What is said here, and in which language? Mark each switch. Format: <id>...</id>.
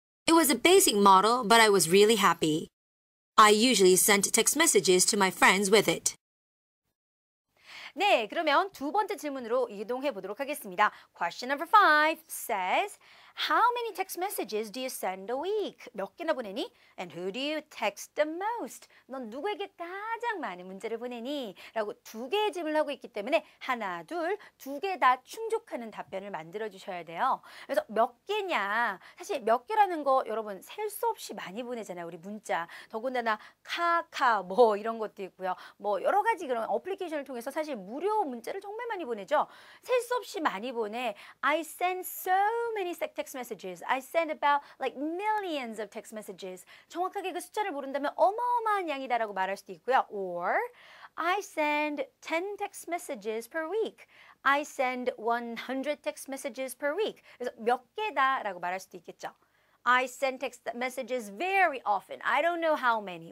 <en>It was a basic model, but I was really happy. I usually sent text messages to my friends with it.</en> <ko>네, 그러면 두 번째 질문으로 이동해 보도록 하겠습니다.</ko> <en>Question number 5 says, How many text messages do you send a week?</en> <ko>몇 개나 보내니?</ko> <en>And who do you text the most?</en> <ko>넌 누구에게 가장 많은 문제를 보내니? 라고 두 개의 질문을 하고 있기 때문에 하나, 둘, 두 개 다 충족하는 답변을 만들어 주셔야 돼요. 그래서 몇 개냐? 사실 몇 개라는 거 여러분 셀 수 없이 많이 보내잖아요. 우리 문자. 더군다나 카카 뭐 이런 것도 있고요. 뭐 여러 가지 그런 어플리케이션을 통해서 사실 무료 문자를 정말 많이 보내죠. 셀 수 없이 많이 보내.</ko> <en>I send so many text messages. I send about like millions of text messages.</en> <ko>정확하게 그 숫자를 모른다면 어마어마한 양이다라고 말할 수도 있고요.</ko> <en>Or I send 10 text messages per week. I send 100 text messages per week.</en> <ko>그래서 몇 개다라고 말할 수도 있겠죠.</ko> <en>I send text messages very often. I don't know how many.</en>